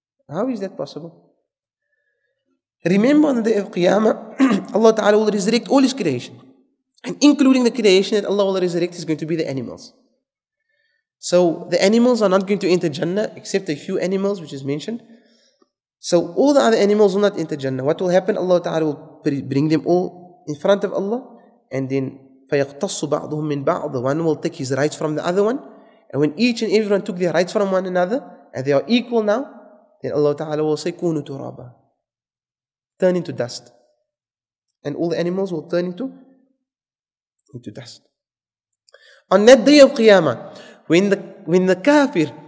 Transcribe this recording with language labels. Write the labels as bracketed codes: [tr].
[en] How is that possible? Remember, on the day of Qiyamah, Allah ta'ala will resurrect all his creation, and including the creation that Allah will resurrect is going to be the animals. So the animals are not going to enter Jannah, except a few animals which is mentioned. So all the other animals will not enter Jannah. What will happen? Allah Ta'ala will bring them all in front of Allah. And then, [ar] فَيَقْتَصُ بَعْضُهُمْ مِنْ بَعْضٍ. [en] The one will take his rights from the other one. And when each and everyone took their rights from one another, and they are equal now, then Allah Ta'ala will say, [ar] كُونُ تُرَابًا. [en] Turn into dust. And all the animals will turn into dust. On that day of Qiyamah, when the kafir,